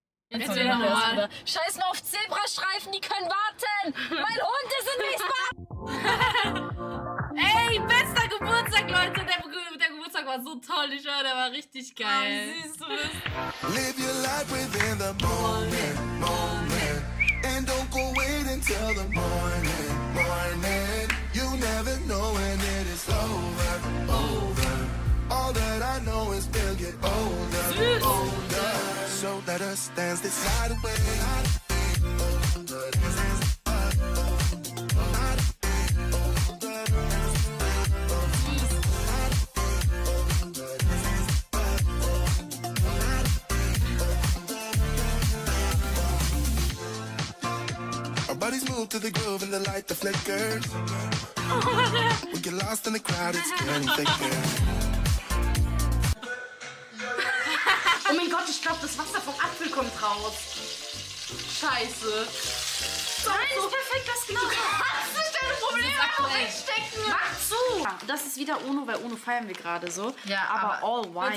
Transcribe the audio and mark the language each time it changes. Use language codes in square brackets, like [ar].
[de] Jetzt wieder normal. Scheiß nur auf Zebrastreifen, die können warten. Mein Hund ist in Wiesbaden. Ey, bester Geburtstag, Leute! Der Geburtstag Vortrag war so toll, ich war, der war richtig geil. Oh, wie süß du bist. [en] Live your life within the moment, moment. And don't go wait until the morning, morning. You never know when it is over, over. All that I know is we'll get older, older. So let us dance this night away. To the groove and the light that flickers. We get lost in the crowd, it's getting thicker. [de] Oh mein Gott, ich glaube, das Wasser vom Apfel kommt raus. Scheiße. Nein, ist perfekt, das geht doch. Mach zu! Das ist wieder Uno, weil Uno feiern wir gerade so. Ja, aber All Wild.